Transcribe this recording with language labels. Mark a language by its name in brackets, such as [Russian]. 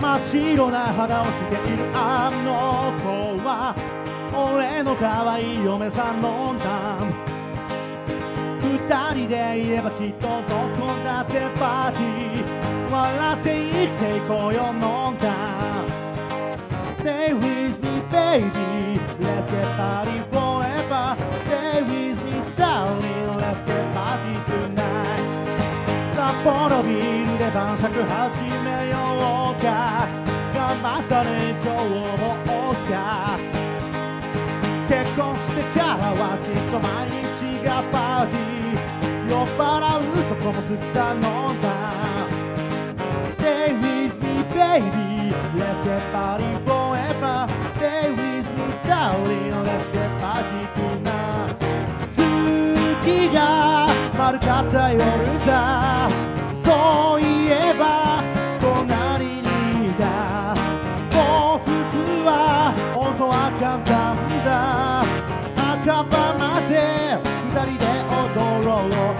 [Japanese] 白な肌をしているあの子は俺の可愛い嫁さんのんだ。二人でいればきっとどこだってパーティー、笑って生きていこうよのんだ。 [English] Stay with me baby, let's get party forever. Stay with me darling, let's get party tonight. [Japanese] 札幌ビールで晩酌始めようか、頑張ったね今日もおっしゃ。結婚してからはきっと毎日がパーティー、酔っ払うとこも好きさ飲んだ。 [English] Stay with me baby, let's get party forever. Stay with me darling, let's get party tonight. [Japanese] 月が丸かった夜だ、そういえば隣にいた。僕は音は簡単だ、赤羽まで二人で踊ろう。